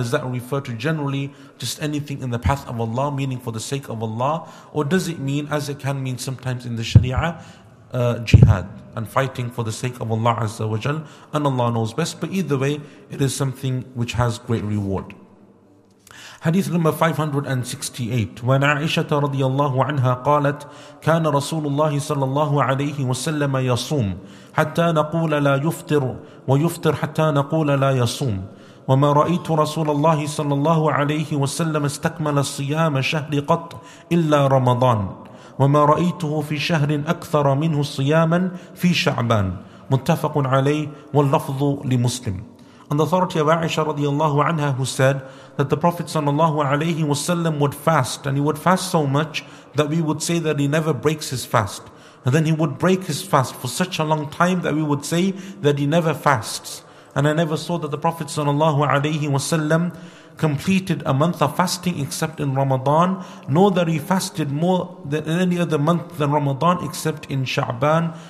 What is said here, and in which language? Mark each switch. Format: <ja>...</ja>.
<en>Does that refer to generally just anything in the path of Allah, meaning for the sake of Allah? Or does it mean, as it can mean sometimes in the sharia, jihad and fighting for the sake of Allah Azza wa Jal? And Allah knows best, but either way, it is something which has great reward. Hadith number 568.</en> <ar>وعن عائشة رضي الله عنها قالت كان رسول الله صلى الله عليه وسلم يصوم حتى نقول لا يفطر ويفطر حتى نقول لا يصوم وما رأيت رسول الله صلى الله عليه وسلم استكمل الصيام شهر قط إلا رمضان وما رأيته في شهر أكثر منه صياما في شعبان متفق عليه واللفظ لمسلم.</ar> <en>On the authority of Aisha radiallahu anha, who said that the Prophet sallallahu alayhi wasallam would fast, and he would fast so much that we would say that he never breaks his fast. And then he would break his fast for such a long time that we would say that he never fasts. And I never saw that the Prophet sallallahu alayhi wasallam completed a month of fasting except in Ramadan, nor that he fasted more than any other month than Ramadan except in Sha'ban.</en>